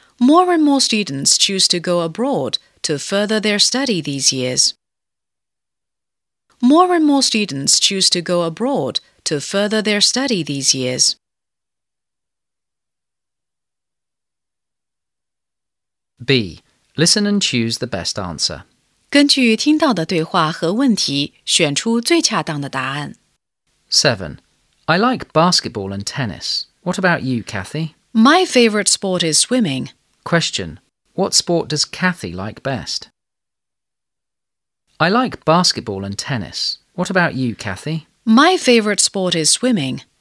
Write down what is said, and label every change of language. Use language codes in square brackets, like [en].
[en] More and more students choose to go abroad to further their study these years. More and more students choose to go abroad to further their study these years. 7. Listen and choose the best answer. [zh] 根据听到的对话和问题选出最恰当的答案。 [en] 7. I like basketball and tennis. What about you, Kathy? My favorite sport is swimming. Question. What sport does Kathy like best? I like basketball and tennis. What about you, Kathy? My favorite sport is swimming.